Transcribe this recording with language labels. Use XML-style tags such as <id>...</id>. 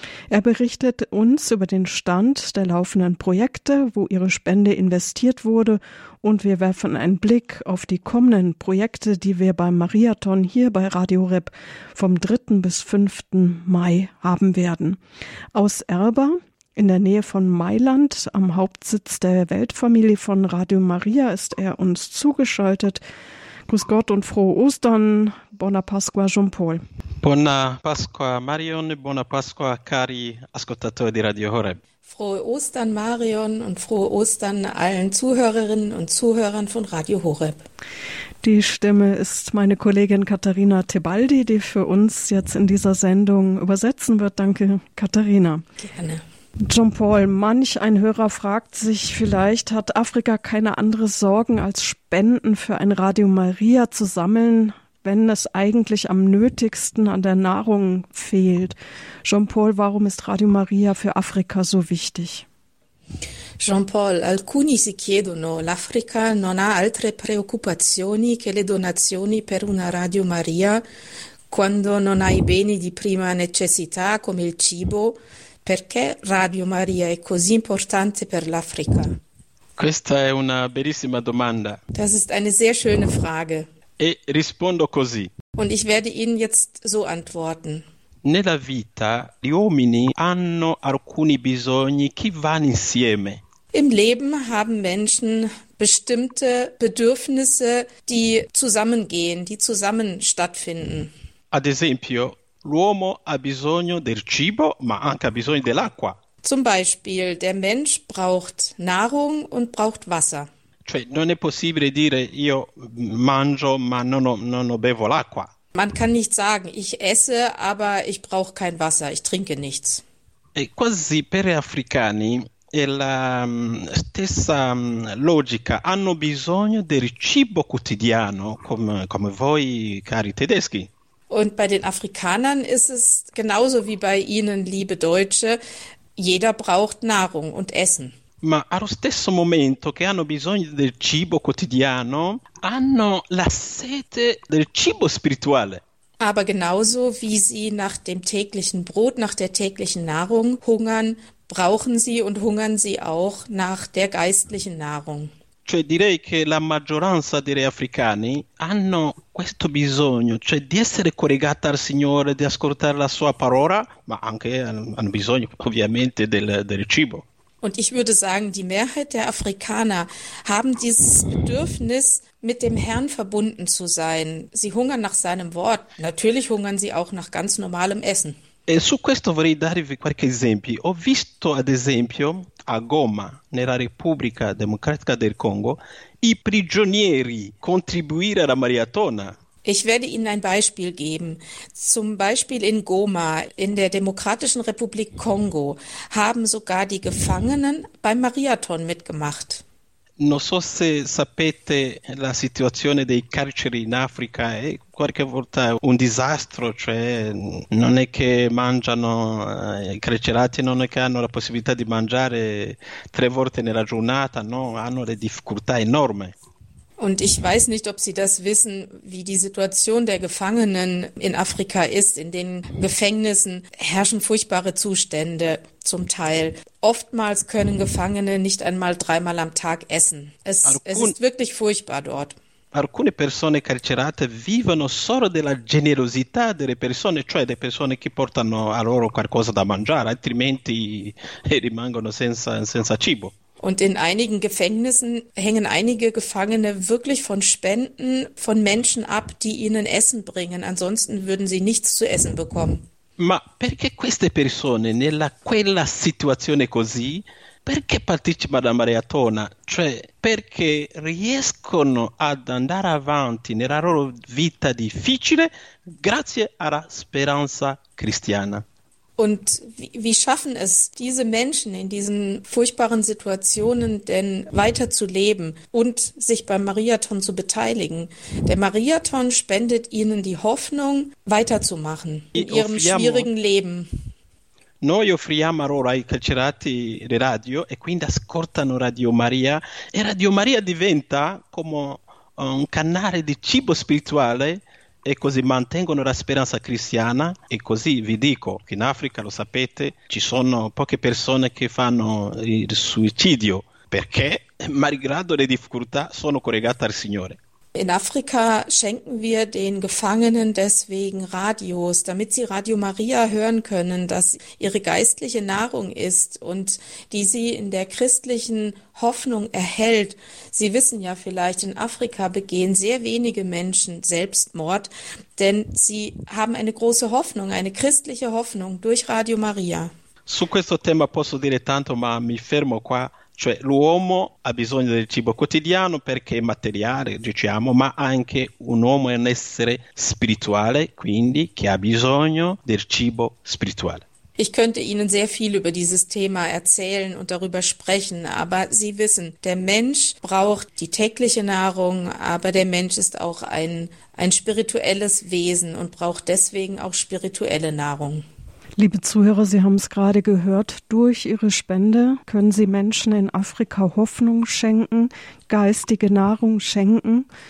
<de>Er berichtet uns über den Stand der laufenden Projekte, wo Ihre Spende investiert wurde, und wir werfen einen Blick auf die kommenden Projekte, die wir beim Mariathon hier bei Radio Horeb vom 3. bis 5. Mai haben werden. Aus Erba, in der Nähe von Mailand, am Hauptsitz der Weltfamilie von Radio Maria, ist er uns zugeschaltet. Grüß Gott und frohe Ostern.</de> <it>Buona Pasqua, Jean-Paul. Buona Pasqua, Marion. Buona Pasqua, cari ascoltatori di Radio Horeb.</it> <de>Frohe Ostern, Marion, und frohe Ostern allen Zuhörerinnen und Zuhörern von Radio Horeb. Die Stimme ist meine Kollegin Katharina Tebaldi, die für uns jetzt in dieser Sendung übersetzen wird. Danke, Katharina. Gerne. Jean-Paul, manch ein Hörer fragt sich vielleicht, hat Afrika keine andere Sorgen als Spenden für ein Radio Maria zu sammeln, wenn es eigentlich am nötigsten an der Nahrung fehlt? Jean-Paul, warum ist Radio Maria für Afrika so wichtig?</de> <it>Jean-Paul, alcuni si chiedono, l'Africa non ha altre preoccupazioni che le donazioni per una Radio Maria quando non ha i beni di prima necessità come il cibo. Perché Radio Maria è così importante per l'Africa? Questa è una bellissima domanda.</it> <de>Das ist eine sehr schöne Frage.</de> <it>E rispondo così.</it> <de>Und ich werde Ihnen jetzt so antworten.</de> <it>Nella vita gli uomini hanno alcuni bisogni che vanno insieme.</it> <de>Im Leben haben Menschen bestimmte Bedürfnisse, die zusammengehen, die zusammen stattfinden.</de> <it>Ad esempio, l'uomo ha bisogno del cibo, ma anche ha bisogno dell'acqua.</it> <de>Zum Beispiel, der Mensch braucht Nahrung und braucht Wasser.</de> <it>Cioè, non è possibile dire io mangio, ma non bevo l'acqua.</it> <de>Man kann nicht sagen, ich esse, aber ich brauche kein Wasser, ich trinke nichts.</de> <it>E quasi per gli africani è la stessa logica. Hanno bisogno del cibo quotidiano, come voi, cari tedeschi.</it> <de>Und bei den Afrikanern ist es genauso wie bei Ihnen, liebe Deutsche, jeder braucht Nahrung und Essen.</de> <it>Ma allo stesso momento che hanno bisogno del cibo quotidiano, hanno la sete del cibo spirituale.</it> <de>Aber genauso wie sie nach dem täglichen Brot, nach der täglichen Nahrung hungern, brauchen sie und hungern sie auch nach der geistlichen Nahrung.</de> <it>Cioè direi che la maggioranza degli africani hanno questo bisogno, cioè di essere collegata al Signore, di ascoltare la sua parola, ma anche hanno bisogno ovviamente del cibo.</it> <de>Und ich würde sagen, die Mehrheit der Afrikaner haben dieses Bedürfnis, mit dem Herrn verbunden zu sein. Sie hungern nach seinem Wort. Natürlich hungern sie auch nach ganz normalem Essen.</de> <it>E su questo vorrei darvi qualche esempio. Ho visto ad esempio a Goma, nella Repubblica Democratica del Congo, i prigionieri contribuire alla mariatona.</it> <de>Ich werde Ihnen ein Beispiel geben. Zum Beispiel in Goma, in der Demokratischen Republik Kongo, haben sogar die Gefangenen beim Mariathon mitgemacht.</de> <it>Non so se sapete la situazione dei carceri in Africa, è qualche volta un disastro, cioè non è che mangiano, i carcerati non è che hanno la possibilità di mangiare 3 volte nella giornata, no? Hanno le difficoltà enormi.</it> <de>Und ich weiß nicht, ob Sie das wissen, wie die Situation der Gefangenen in Afrika ist. In den Gefängnissen herrschen furchtbare Zustände zum Teil. Oftmals können Gefangene nicht einmal dreimal am Tag essen. Es ist wirklich furchtbar dort.</de> <it>Alcune persone carcerate vivono solo della generosità delle persone, cioè delle persone che portano a loro qualcosa da mangiare, altrimenti rimangono senza cibo.</it> <de>Und in einigen Gefängnissen hängen einige Gefangene wirklich von Spenden von Menschen ab, die ihnen Essen bringen. Ansonsten würden sie nichts zu essen bekommen.</de> <it>Ma perché queste persone quella situazione così, perché partecipano alla maratona? Cioè, perché riescono ad andare avanti nella loro vita difficile grazie alla speranza cristiana?</it> <de>Und wie schaffen es diese Menschen in diesen furchtbaren Situationen denn weiterzuleben und sich beim Marathon zu beteiligen? Der Marathon spendet ihnen die Hoffnung, weiterzumachen in ihrem schwierigen Leben.</de> <it>Noi offriamo allora ai carcerati le radio e quindi ascoltano Radio Maria e Radio Maria diventa come un canale di cibo spirituale e così mantengono la speranza cristiana e così vi dico che in Africa, lo sapete, ci sono poche persone che fanno il suicidio perché, malgrado le difficoltà, sono collegate al Signore.</it> <de>In Afrika schenken wir den Gefangenen deswegen Radios, damit sie Radio Maria hören können, das ihre geistliche Nahrung ist und die sie in der christlichen Hoffnung erhält. Sie wissen ja vielleicht, in Afrika begehen sehr wenige Menschen Selbstmord, denn sie haben eine große Hoffnung, eine christliche Hoffnung durch Radio Maria.</de> <it>Su questo tema posso dire tanto, ma mi fermo qua. Cioè, l'uomo ha bisogno del cibo quotidiano perché è materiale, diciamo, ma anche un uomo è un essere spirituale, quindi che ha bisogno del cibo spirituale.</it> <de>Ich könnte Ihnen sehr viel über dieses Thema erzählen und darüber sprechen, aber Sie wissen, der Mensch braucht die tägliche Nahrung, aber der Mensch ist auch ein spirituelles Wesen und braucht deswegen auch spirituelle Nahrung. Liebe Zuhörer, Sie haben es gerade gehört. Durch Ihre Spende können Sie Menschen in Afrika Hoffnung schenken, geistige Nahrung schenken.</de>